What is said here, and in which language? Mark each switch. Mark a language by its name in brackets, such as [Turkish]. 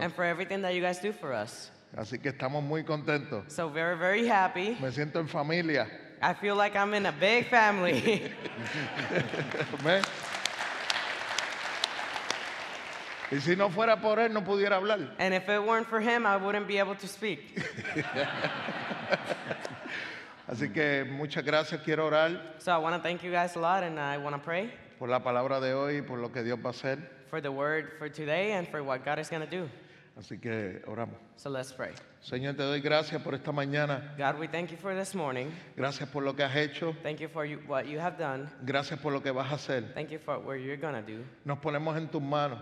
[English] And for everything that you guys do for us. [Spanish] Así que estamos muy contentos. [English] So very, very happy. [Spanish] Me siento en familia. [English] I feel like I'm in a big family. [Spanish] Y si no fuera por él, no pudiera hablar. [English] And if it weren't for him, I wouldn't be able to speak. [Spanish] Así que muchas gracias, quiero orar. [English] So I want to thank you guys a lot, and I want to pray. [Spanish] Por la palabra de hoy, por lo que Dios va a hacer. [English] For the word for today, and for what God is going to do. [Spanish] Así que oramos. [English] So let's pray. [Spanish] Señor, te doy gracias por esta mañana. [English] God, we thank you for this morning. [Spanish] Gracias por lo que has hecho. [English] Thank you for what you have done. [Spanish] Gracias por lo que vas a hacer. [English] Thank you for what you're going to do. [Spanish] Nos ponemos en tus manos.